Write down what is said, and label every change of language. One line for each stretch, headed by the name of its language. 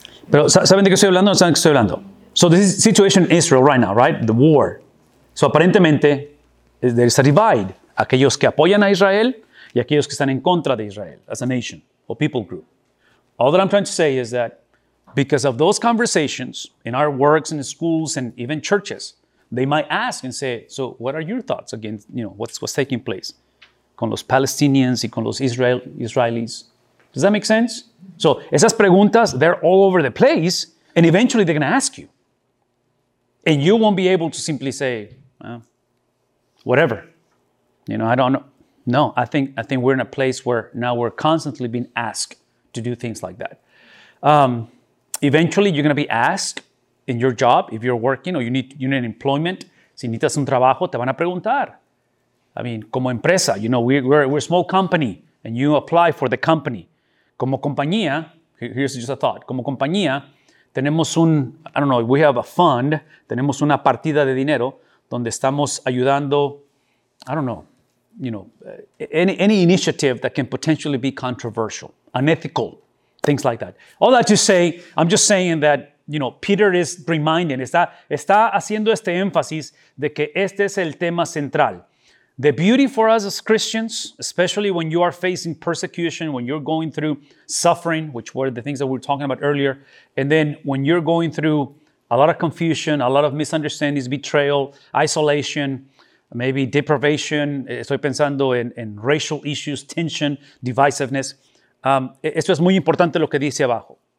Spanish: Pero, ¿saben de qué estoy hablando? ¿No saben de qué estoy hablando?
English: So this is situation in Israel right now, right? The war. So aparentemente, there is a divide.
Spanish: Aquellos que apoyan a Israel y aquellos que están en contra de Israel
English: as a nation or people group. All that I'm trying to say is that because of those conversations in our works and schools and even churches, they might ask and say, so what are your thoughts against, you know, what's taking place
Spanish: con los Palestinians y con los Israelis?
English: Does that make sense? So
Spanish: esas preguntas,
English: they're all over the place, and eventually they're going to ask you. And you won't be able to simply say, well, whatever. You know, I don't know. No, I think we're in a place where now we're constantly being asked to do things like that. Eventually, you're going to be asked in your job, if you're working or you need employment.
Spanish: Si necesitas un trabajo, te van a preguntar.
English: I mean,
Spanish: como empresa,
English: you know, we're a small company and you apply for the company.
Spanish: Como compañía,
English: here's just a thought.
Spanish: Como compañía, tenemos un,
English: I don't know, we have a fund,
Spanish: tenemos una partida de dinero donde estamos ayudando,
English: I don't know, you know, any initiative that can potentially be controversial, unethical. Things like that. All that to say, I'm just saying that you know, Peter is reminding,
Spanish: está haciendo este énfasis de que este es el tema central.
English: The beauty for us as Christians, especially when you are facing persecution, when you're going through suffering, which were the things that we were talking about earlier, and then when you're going through a lot of confusion, a lot of misunderstandings, betrayal, isolation, maybe deprivation,
Spanish: estoy pensando en
English: racial issues, tension, divisiveness.
Spanish: Esto es muy importante lo que dice abajo.